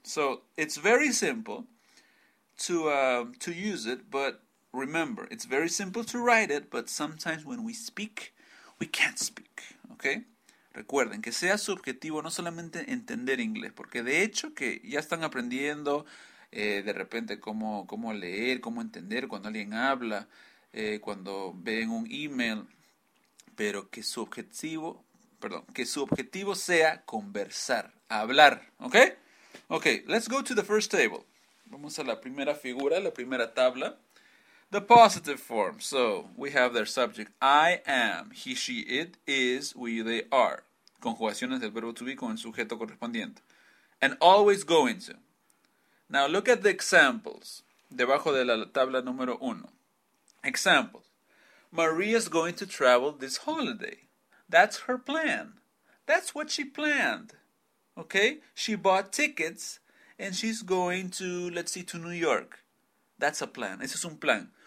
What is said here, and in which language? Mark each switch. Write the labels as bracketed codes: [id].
[en] So it's very simple to use it, but remember, it's very simple to write it, but sometimes when we speak, we can't speak, okay? [es] Recuerden que sea su objetivo no solamente entender inglés, porque de hecho que ya están aprendiendo de repente cómo leer, cómo entender cuando alguien habla, cuando ven un email, pero que su objetivo, perdón, que su objetivo sea conversar, hablar, ¿okay? [en] Okay, let's go to the first table. [es] Vamos a la primera figura, la primera tabla. [en] The positive form. So, we have their subject. I am, he, she, it, is, we, they are. [es] Conjugaciones del verbo to be con el sujeto correspondiente. [en] And always going to. Now, look at the examples [es] debajo de la tabla número uno. [en] Examples. Maria is going to travel this holiday. That's her plan. That's what she planned. Okay? She bought tickets and she's going to, let's see, to New York. That's a plan. [es] Ese es un plan.